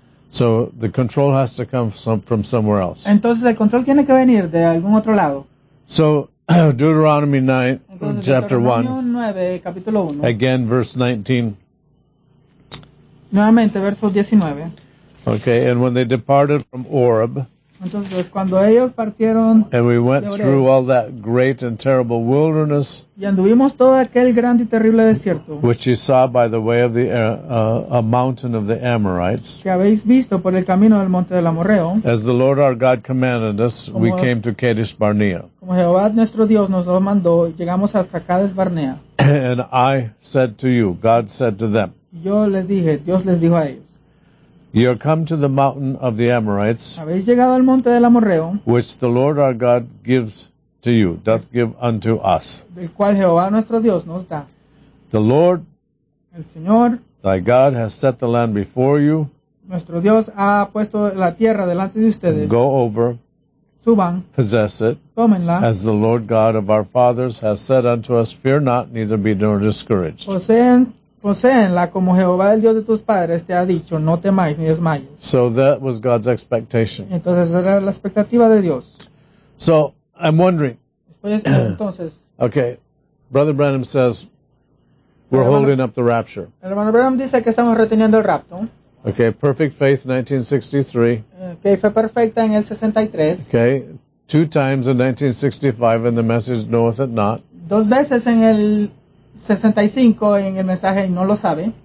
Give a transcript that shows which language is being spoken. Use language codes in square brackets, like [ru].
[en] So the control has to come from somewhere else. [es] Entonces el control tiene que venir de algún otro lado. [en] So. Deuteronomy 9, [es] entonces, [en] chapter 1. [es] 9, capítulo 1. [en] Again, verse 19. [es] Nuevamente, verso 19. [en] Okay, and when they departed from Oreb. [es] Entonces, cuando ellos partieron. [en] And we went through all that great and terrible wilderness. [es] Y anduvimos todo aquel grande y terrible desierto. [en] Which you saw by the way of the a mountain of the Amorites. [es] Que habéis visto por el camino del monte del Amorreo. [en] As the Lord our God commanded us, [es] como, [en] we came to Kadesh Barnea. [es] Como Jehová nuestro Dios nos lo mandó, llegamos hasta Kadesh Barnea. [en] And I said to you, God said to them. [es] Yo les dije, Dios les dijo a ellos. [en] You have come to the mountain of the Amorites, [es] habéis llegado al monte del Amorreo, [en] which the Lord our God gives to you, doth give unto us. [es] Del cual Jehová nuestro Dios nos da. [en] The Lord, [es] el Señor, [en] thy God, has set the land before you. [es] Nuestro Dios ha puesto la tierra delante de ustedes. [en] Go over, [es] suban, [en] possess it, [es] tómenla, [en] as the Lord God of our fathers has said unto us, fear not, neither be nor discouraged. [es] Poseenla como Jehová el Dios de tus padres te ha dicho, no temáis ni desmayes. [en] So that was God's expectation. [es] Entonces era la expectativa de Dios. [en] So I'm wondering. [es] Entonces. [en] Okay, Brother Branham says we're holding up the rapture. [es] Hermano Branham dice que estamos reteniendo el rapto. [en] Okay, perfect faith 1963. [es] Okay, fe perfecta en el 63. [en] Okay, two times in 1965 and the message knoweth it not. [es] Dos veces en el 65 en el mensaje y no lo sabe.